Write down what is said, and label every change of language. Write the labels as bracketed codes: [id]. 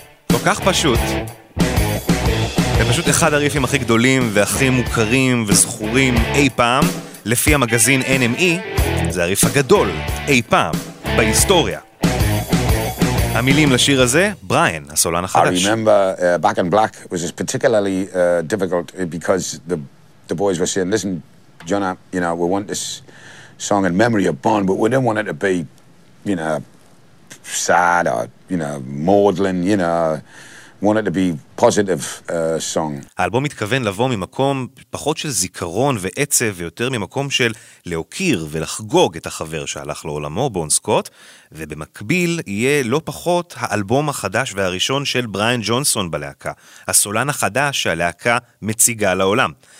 [he] כל כך פשוט. זה פשוט אחד הריפים הכי גדולים והכי מוכרים וזכורים אי פעם, לפי המגזין NME, זה הריף הגדול, אי פעם, בהיסטוריה. המילים לשיר הזה, בריין, הסולן החדש. [en] I remember Back in Black was just particularly difficult because the boys were saying, listen, Johnna, you know, we want this song in memory of Bond, but we didn't want it to be, you know, sad or, you know, maudlin, you know, want it to be positive song. [he] האלבום מתכוון לבוא ממקום פחות של זיכרון ועצב, ויותר ממקום של להוקיר ולחגוג את החבר שהלך לעולמו, בון סקוט, ובמקביל יהיה לא פחות האלבום החדש והראשון של בריין ג'ונסון בלהקה, הסולן החדש שהלהקה מציגה לעולם.